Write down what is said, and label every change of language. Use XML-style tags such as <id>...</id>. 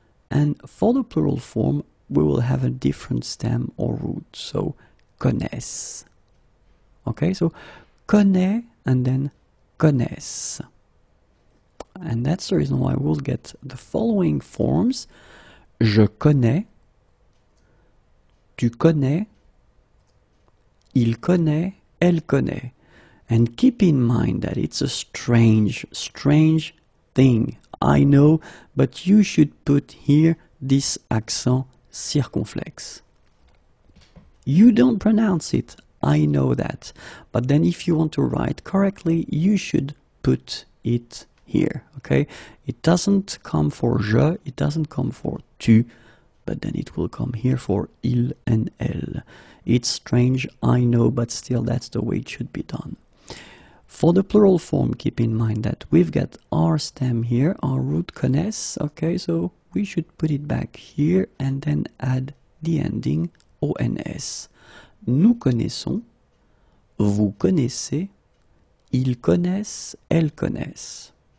<en>And for the plural form, we will have a different stem or root, so connaisse. Okay, so connaît and then connaisse. And that's the reason why we'll get the following forms.</en> <fr>Je connais, tu connais, il connaît, elle connaît.</fr> <en>And keep in mind that it's a strange thing, I know, but you should put here this accent circumflexe. You don't pronounce it, I know that, but then if you want to write correctly, you should put it here, okay? It doesn't come for je, it doesn't come for tu, but then it will come here for il and elle. It's strange, I know, but still that's the way it should be done. For the plural form, keep in mind that we've got our stem here, our root connaisse, okay? So we should put it back here and then add the ending ons.</en> <fr>Nous connaissons, vous connaissez, ils connaissent, elles connaissent.</fr>